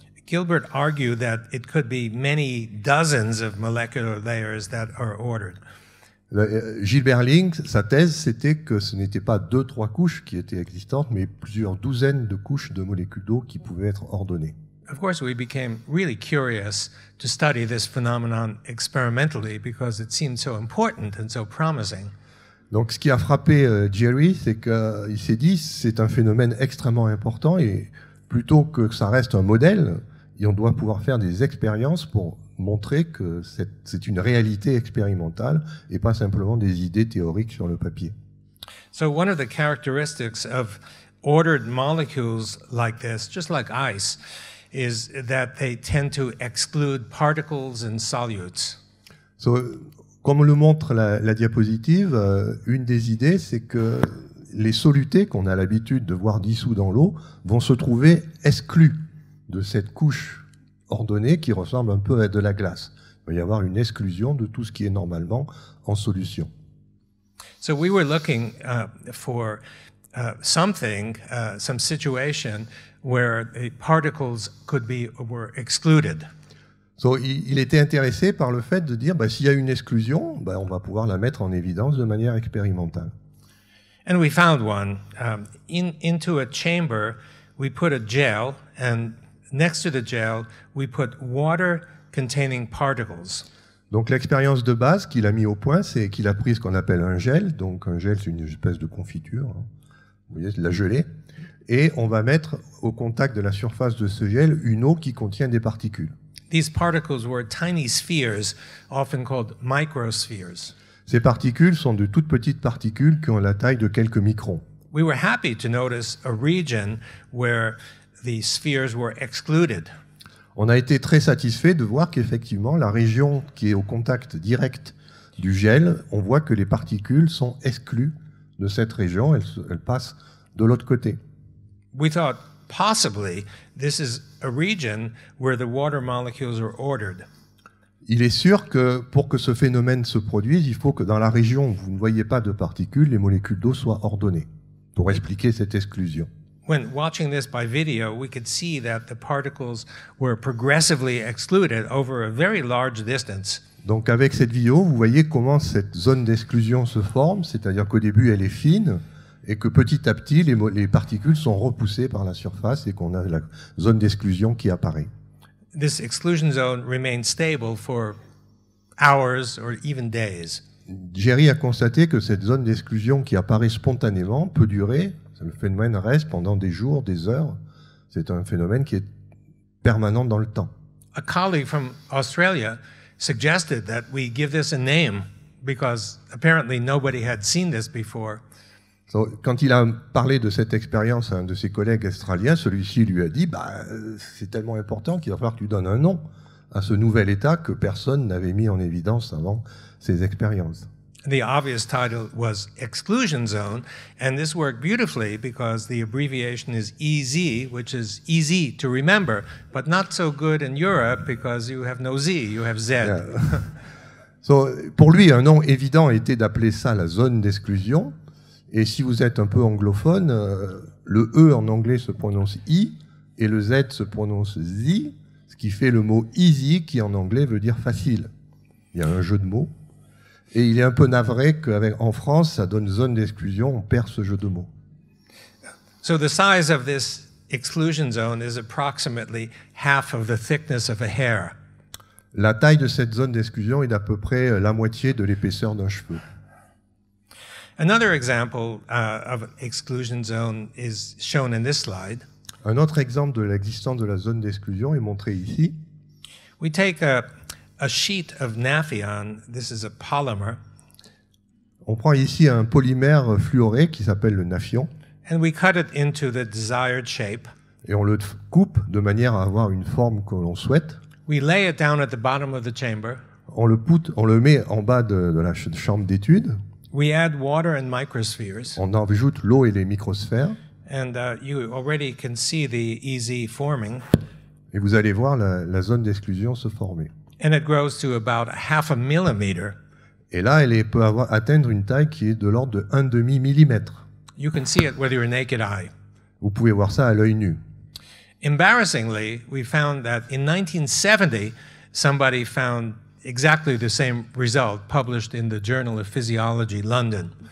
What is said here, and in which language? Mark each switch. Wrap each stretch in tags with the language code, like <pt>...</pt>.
<en>Gilbert argued that it could be many dozens of molecular layers that are ordered.</en> <fr>Gilbert Ling, sa thèse, c'était que ce n'était pas deux, trois couches qui étaient existantes, mais plusieurs douzaines de couches de molécules d'eau qui pouvaient être ordonnées.</fr> <en>Of course, we became really curious to study this phenomenon experimentally because it seemed so important and so promising.</en> <fr>Donc, ce qui a frappé Jerry, c'est qu'il s'est dit, c'est un phénomène extrêmement important et plutôt que ça reste un modèle, et on doit pouvoir faire des expériences pour montrer que c'est une réalité expérimentale et pas simplement des idées théoriques sur le papier.</fr> <en>So one of the characteristics of ordered molecules like this, just like ice, is that they tend to exclude particles and solutes.</en> <fr>So, comme le montre la diapositive, une des idées, c'est que les solutés qu'on a l'habitude de voir dissous dans l'eau vont se trouver exclus de cette couche ordonnée qui ressemble un peu à de la glace. Il va y avoir une exclusion de tout ce qui est normalement en solution.</fr> <en>So we were looking for something, some situation where the particles could be were excluded.</en> <fr>So, il était intéressé par le fait de dire, s'il y a une exclusion, on va pouvoir la mettre en évidence de manière expérimentale.</fr> <en>And we found one. Into a chamber, we put a gel, and next to the gel, we put water containing particles.</en> <fr>Donc l'expérience de base qu'il a mis au point, c'est qu'il a pris ce qu'on appelle un gel. Donc un gel, c'est une espèce de confiture, hein. Vous voyez, de la gelée. Et on va mettre au contact de la surface de ce gel une eau qui contient des particules.</fr> <en>These particles were tiny spheres, often called microspheres.</en> <fr>Ces particules sont de toutes petites particules qui ont la taille de quelques microns.</fr> <en>We were happy to notice a region where the spheres were excluded.</en> <fr>On a été très satisfait de voir qu'effectivement, la région qui est au contact direct du gel, on voit que les particules sont exclues de cette région, elles passent de l'autre côté.</fr> <en>We thought, possibly, this is a region where the water molecules are ordered.</en> <fr>Il est sûr que pour que ce phénomène se produise, il faut que dans la région où vous ne voyez pas de particules, les molécules d'eau soient ordonnées pour expliquer cette exclusion.</fr> <en>When watching this by video, we could see that the particles were progressively excluded over a very large distance.</en> <fr>Donc avec cette vidéo, vous voyez comment cette zone d'exclusion se forme, c'est-à-dire qu'au début, elle est fine et que petit à petit, les particules sont repoussées par la surface et qu'on a la zone d'exclusion qui apparaît.</fr> <en>This exclusion zone remained stable for hours or even days.</en> <fr>Jerry a constaté que cette zone d'exclusion qui apparaît spontanément peut durer. Le phénomène reste pendant des jours, des heures. C'est un phénomène qui est permanent dans le temps.</fr> <en>A colleague from Australia suggested that we give this a name because apparently nobody had seen this before.</en> <fr>So, quand il a parlé de cette expérience à un de ses collègues australiens, celui-ci lui a dit, c'est tellement important qu'il va falloir que tu donnes un nom à ce nouvel état que personne n'avait mis en évidence avant ces expériences.</fr> <en>The obvious title was Exclusion Zone, and this worked beautifully because the abbreviation is EZ, which is easy to remember, but not so good in Europe because you have no Z, you have Z. Yeah.</en> <fr>So, pour lui, un nom évident était d'appeler ça la zone d'exclusion. Et si vous êtes un peu anglophone, le E en anglais se prononce I et le Z se prononce Z, ce qui fait le mot easy qui en anglais veut dire facile. Il y a un jeu de mots. Et il est un peu navré qu'en France, ça donne zone d'exclusion, on perd ce jeu de mots.</fr> <en>So the size of this exclusion zone is approximately half of the thickness of a hair.</en> <fr>La taille de cette zone d'exclusion est d'à peu près la moitié de l'épaisseur d'un cheveu.</fr> <en>Another example of exclusion zone is shown in this slide.</en> <fr>Un autre exemple de l'existence de la zone d'exclusion est montré ici.</fr> <en>We take a sheet of naphion. This is a polymer.</en> <fr>On prend ici un polymère fluoré qui s'appelle le naphion.</fr> <en>And we cut it into the desired shape.</en> <fr>Et on le coupe de manière à avoir une forme que l'on souhaite.</fr> <en>We lay it down at the bottom of the chamber.</en> <fr>On le met en bas de la chambre d'étude.</fr> <en>We add water and microspheres.</en> <fr>On ajoute l'eau et les microsphères.</fr> <en>And you already can see the EZ forming.</en> <fr>Et vous allez voir la zone d'exclusion se former.</fr> <en>And it grows to about half a millimeter.</en> <fr>Et là, elle peut atteindre une taille qui est de l'ordre de 1/2 millimètre.</fr> <en>You can see it with your naked eye.</en> <fr>Vous pouvez voir ça à l'œil nu.</fr> <en>Embarrassingly, we found that in 1970, somebody found exactly the same result published in the Journal of Physiology, London.</en>